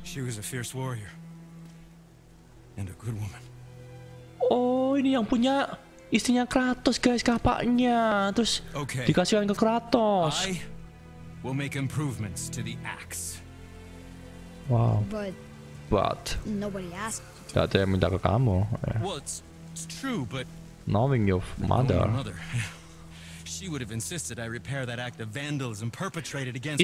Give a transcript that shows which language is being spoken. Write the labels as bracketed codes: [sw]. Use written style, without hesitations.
[en] She was a fierce warrior and a good woman. [id] Oh, ini yang punya istrinya Kratos, guys, kapaknya. Terus okay. Dikasihkan ke Kratos. [en] I will make improvements to the axe. Wow. But nobody asked. [id] Tidak ada yang minta ke kamu. [en] Well, it's true, but knowing your mother. She would have insisted I repair that act of vandalism perpetrated against her.